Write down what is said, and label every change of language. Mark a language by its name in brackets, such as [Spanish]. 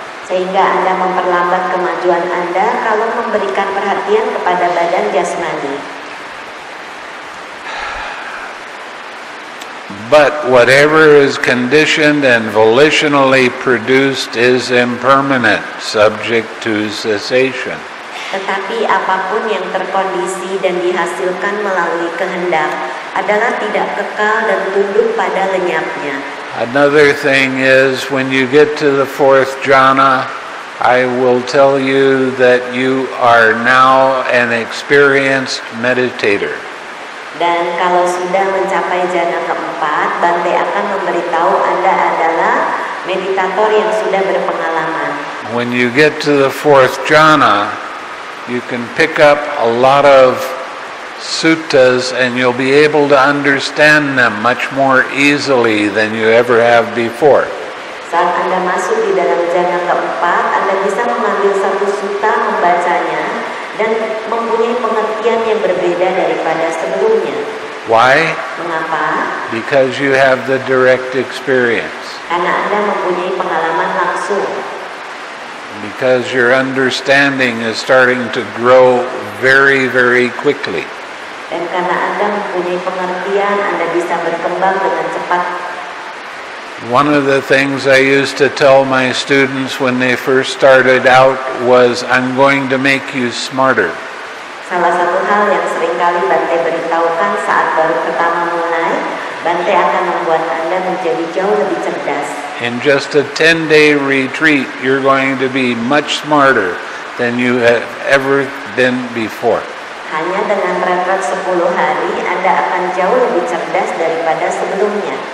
[Indonesian] Sehingga Anda memperlambat kemajuan Anda kalau memberikan perhatian kepada badan jasmani. [English] But whatever is conditioned and volitionally produced is impermanent, subject to cessation. [Indonesian] Tetapi apapun yang terkondisi dan dihasilkan melalui kehendak adalah tidak kekal dan tunduk pada lenyapnya. [English] Another thing is, when you get to the fourth jhana, I will tell you that you are now an experienced meditator. [Indonesian] Dan kalau sudah mencapai jhana keempat, Bhante akan memberitahu Anda adalah meditator yang sudah berpengalaman. [English] When you get to the fourth jhana, you can pick up a lot of suttas and you'll be able to understand them much more easily than you ever have before. [Indonesian] Saat Anda masuk di dalam jhana keempat, Anda bisa mengambil satu sutta, membacanya, dan mempunyai pengertian yang berbeda daripada sebelumnya. [English] Why? [Indonesian] Mengapa? [English] Because you have the direct experience. [Indonesian] Karena Anda mempunyai pengalaman langsung. [English] Because your understanding is starting to grow very, very quickly. [Indonesian] Dan karena Anda mempunyai pengertian, Anda bisa berkembang dengan cepat. [English] One of the things I used to tell my students when they first started out was, I'm going to make you smarter. [Indonesian] Salah satu hal yang seringkali Bhante beritahukan saat baru pertama mulai, Bhante akan membuat Anda menjadi jauh lebih cerdas. [English] In just a 10-day retreat, you're going to be much smarter than you have ever been before. [Indonesian] Hanya dengan retret 10 hari, Anda akan jauh lebih cerdas daripada sebelumnya.